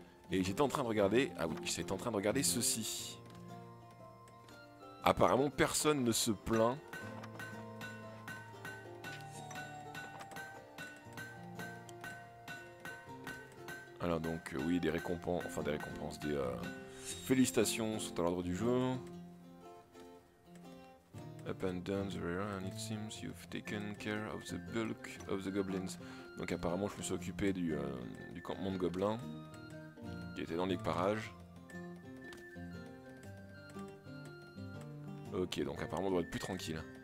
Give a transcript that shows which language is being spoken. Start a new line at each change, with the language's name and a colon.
French: Et j'étais en train de regarder... Ah oui, j'étais en train de regarder ceci. Apparemment, personne ne se plaint. Alors donc, oui, des récompenses... Enfin, des récompenses, des... félicitations sont à l'ordre du jour.
English: Up and down the river, and it seems you've taken care of the bulk of the goblins.
French: Donc apparemment, je me suis occupé du campement de gobelins. Qui était dans les parages. Ok, donc apparemment on doit être plus tranquille.